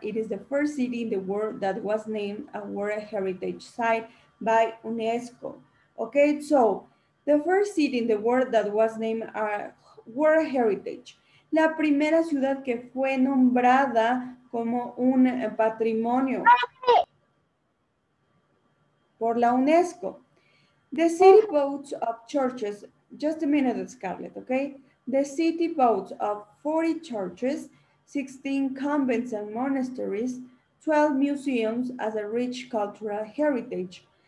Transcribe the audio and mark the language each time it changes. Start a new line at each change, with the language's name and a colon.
English: It is the first city in the world that was named a World Heritage Site by UNESCO. Okay, so the first city in the world that was named a World Heritage.
Spanish: La primera ciudad que fue nombrada como un patrimonio. por la UNESCO.
English: The city boats of churches, just a minute, Scarlett, okay? The city boats of 40 churches, 16 convents and monasteries, 12 museums as a rich cultural heritage.